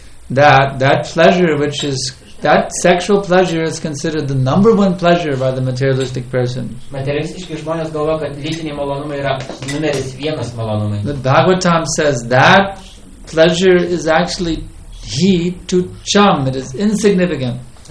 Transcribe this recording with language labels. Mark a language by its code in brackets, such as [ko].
[en] That pleasure which is, that sexual pleasure is considered the number one pleasure by the materialistic person. [lt] Materialistiški žmonės galvoja, kad lytiniai malonumai yra numeris vienas malonumai. [en] But Bhagavatam says that pleasure is actually he to chum. It is insignificant.